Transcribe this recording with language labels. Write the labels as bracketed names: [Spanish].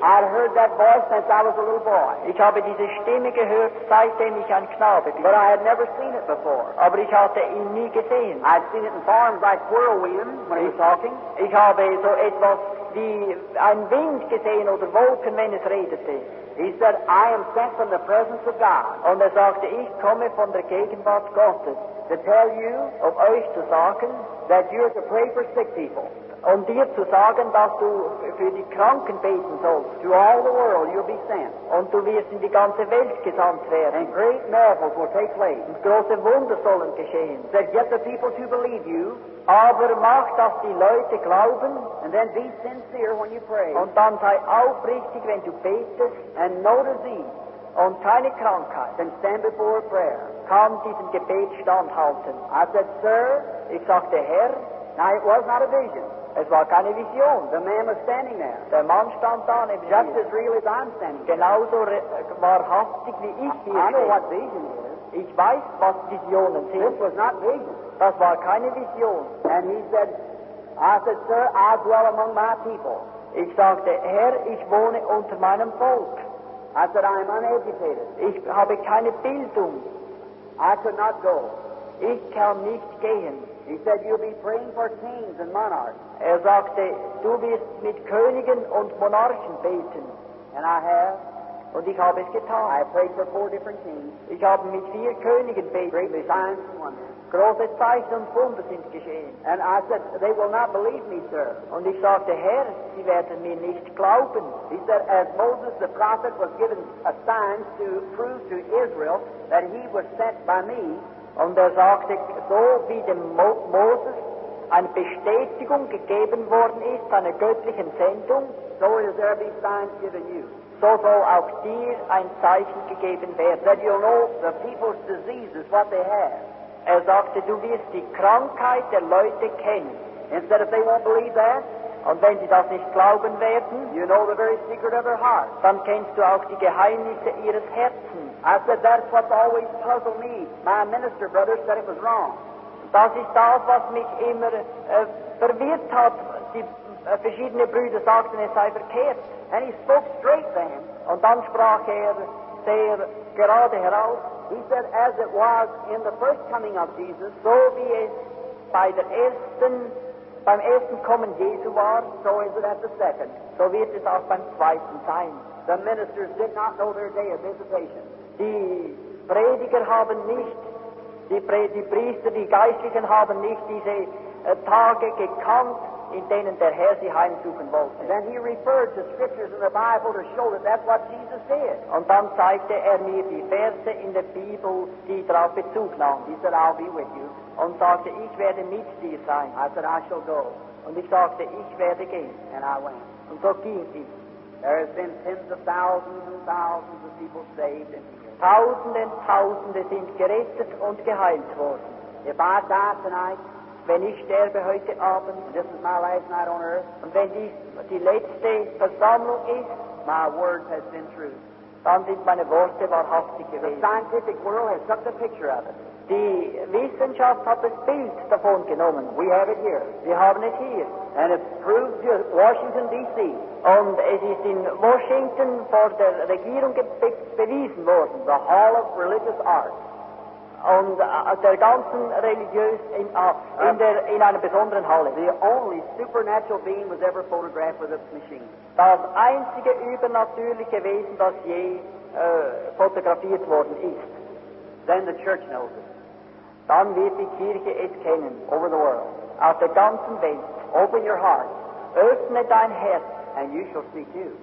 [English] I heard that voice since I was a little boy. [German] Ich habe diese Stimme gehört, seitdem ich ein Knabe bin. [English] But I had never seen it before. [German] Aber ich hatte ihn nie gesehen. [English] I'd seen it in farms like whirlwind when he was talking. [German] Ich habe so etwas wie ein Wind gesehen oder Wolken, wenn es redete. [English] He said, I am sent from the presence of God. [German] Und sagte, ich komme von der Gegenwart Gottes. [English] To tell you, [German] um euch zu sagen, [English] that you are to pray for sick people. [German] Um dir zu sagen, dass du für die Kranken beten sollst. [English] To all the world you'll be sent. [German] Und du wirst in die ganze Welt gesandt werden. [English] And great miracles will take place. [German] Und große Wunder sollen geschehen. [English] That get the people to believe you. [German] Aber mach, dass die Leute glauben. [English] And then be sincere when you pray. [German] Und dann sei aufrichtig, wenn du betest. [English] And no disease. [German] Und keine Krankheit. [English] Then stand before prayer. [German] Kann diesem Gebet standhalten. [English] I said, sir. [German] Ich sagte, Herr. [English] Now it was not a vision. [German] Es war keine Vision. [English] The man was standing there. [German] Der Mann stand da, neben [English] just as real as I'm standing. [German] Genauso wahrhaftig wie ich hier. [English] I know what vision is. [German] Ich weiß, was Visionen sind. [English] This was not vision. [German] Das war keine Vision. [English] And he said, I said, sir, I dwell among my people. [German] Ich sagte, Herr, ich wohne unter meinem Volk. [English] I said, I am uneducated. [German] Ich habe keine Bildung. [English] I could not go. [German] Ich kann nicht gehen. [English] He said, you'll be praying for kings and monarchs. [German] Sagte, du wirst mit Königen und Monarchen beten. [English] And I have. [German] Und ich habe es getan. [English] I prayed for four different kings. [German] Ich habe mit vier Königen beten. [English] Great signs and wonders. [German] Große Zeichen und Wunder sind geschehen. [English] And I said, they will not believe me, sir. [German] Und ich sagte, Herr, sie werden mir nicht glauben. [English] He said, as Moses the prophet was given a sign to prove to Israel that he was sent by me. [German] Und sagte, so wie dem Moses eine Bestätigung gegeben worden ist, seiner göttlichen Sendung, [English] so will there be signs given you. [German] So soll auch dir ein Zeichen gegeben werden. [English] That you'll know the people's diseases, what they have. [German] Sagte, du wirst die Krankheit der Leute kennen. [English] Instead of they won't believe that. [German] Und wenn sie das nicht glauben werden, [English] you know the very secret of their heart. [German] Dann kennst du auch die Geheimnisse ihres Herzens. [English] I said, that's what's always puzzled me. My minister brother said it was wrong. [German] Das ist das, was mich immer verwirrt hat. Die verschiedene Brüder sagten, es sei verkehrt. [English] And he spoke straight then. [German] Und dann sprach er sehr gerade heraus. [English] He said, as it was in the first coming of Jesus, [German] so wie es bei der ersten beim ersten Kommen Jesu war, [English] so is it at the second. [German] So wird es auch beim zweiten sein. [English] The ministers did not know their day of visitation. [German] Die Prediger haben nicht, die Priester, die Geistlichen haben nicht diese Tage gekannt, in denen der Herr sie heimsuchen wollte. [English] Then he referred to scriptures in the Bible to show that that's what Jesus did. [German] Und dann zeigte er mir die Verse in der Bibel, die darauf Bezug nahm. [English] He said, I'll be with you. [German] Und sagte, ich werde mit dir sein. [English] I said, I shall go. [German] Und ich sagte, ich werde gehen. [English] And I went. [German] Und so ging ich. [English] There have been tens of thousands and thousands of people saved in here. [German] Tausende und Tausende sind gerettet und geheilt worden. [English] If I die tonight, [German] wenn ich sterbe heute Abend, [English] this is my last night on earth, [German] und wenn die letzte Versammlung ist, [English] my words have been true. [German] Dann sind meine Worte wahrhaftig gewesen. [English] The scientific world has took a picture of it. [German] Die Wissenschaft hat das Bild davon genommen. [English] We have it here. [German] Wir haben es hier. [English] And it's proved to Washington, D.C. [German] Und es ist in Washington vor der Regierung bewiesen worden. [English] The Hall of Religious Arts. [German] Und der ganzen religiös in einer besonderen Halle. [English] The only supernatural being was ever photographed with a machine. [German] Das einzige übernatürliche Wesen, das je fotografiert worden ist. [English] Then the church knows it. [German] Dann wird die Kirche es kennen. [English] Over the world. [German] Auf der ganzen Welt. [English] Open your heart. [German] Öffne dein Herz. [English] And you shall see too.